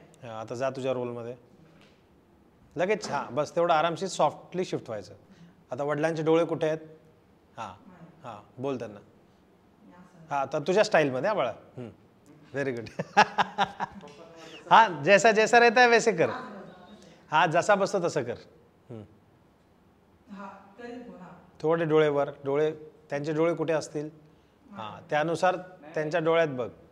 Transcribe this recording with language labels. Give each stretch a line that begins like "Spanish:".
Marathi: आता जा तुझ्या रोलमध्ये लगेच। हां बस तेवढं आरामशीर सॉफ्टली शिफ्ट व्हायचं। आता वडिलांचे डोळे कुठे आहेत? हां हां बोल त्यांना। हां आता तुझ्या स्टाईलमध्ये हा बाळा। Very good.
Hindi: हां जैसा जैसा रहता है वैसे कर।
Marathi: हां जसा बसतो तसं कर। थोडे डोळ्यावर, डोळे त्यांचे डोळे कुठे असतील हां त्यानुसार त्यांच्या डोळ्यात बघ।